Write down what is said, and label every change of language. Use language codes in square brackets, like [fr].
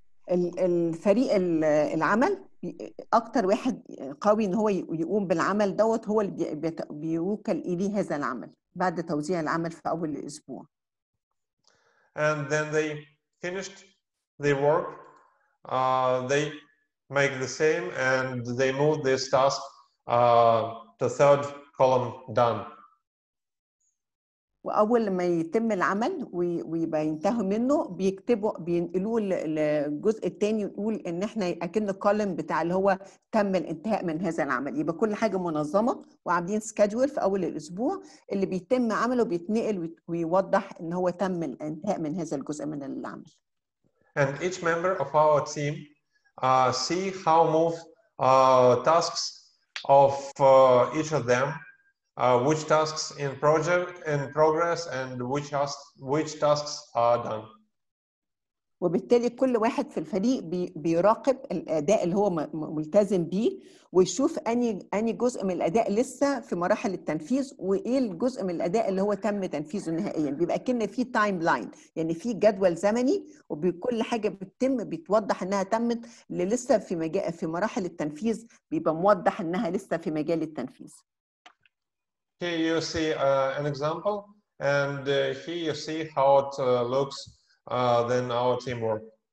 [ar] الفريق العمل اكتر واحد قوي ان هو يقوم بالعمل دوت هو اللي بيوكل اليه هذا العمل بعد توزيع العمل في اول الاسبوع [en] and then they finished their work they make the same and they move this task to third column done [ar] وأول ما يتم العمل ويبقى ينتهي منه بيكتبوا بينقلوه للجزء الثاني ويقول إن إحنا أكن الكولم بتاع اللي هو تم الانتهاء من هذا العمل. يبقى كل حاجة منظمة وعاملين سكادول في أول الأسبوع اللي بيتم عمله بيتنقل ويوضح إن هو تم الانتهاء من هذا الجزء من العمل. [en] And each member of our team see how move tasks of each of them. Which tasks in project in progress and which tasks are done. [ar] وبالتالي كل واحد في الفريق بيراقب الأداء اللي هو ملتزم بيه ويشوف أني جزء من الأداء لسه في مراحل التنفيذ وإيه الجزء من الأداء اللي هو تم تنفيذه نهائيا. بيبقى كنا في تايم لاين, يعني في جدول زمني وبكل حاجة بتتم بتوضح أنها تمت لسه في مراحل التنفيذ, بيبقى موضح أنها لسه في مجال التنفيذ. [en] Here you see an example, and here you see how it looks then our teamwork.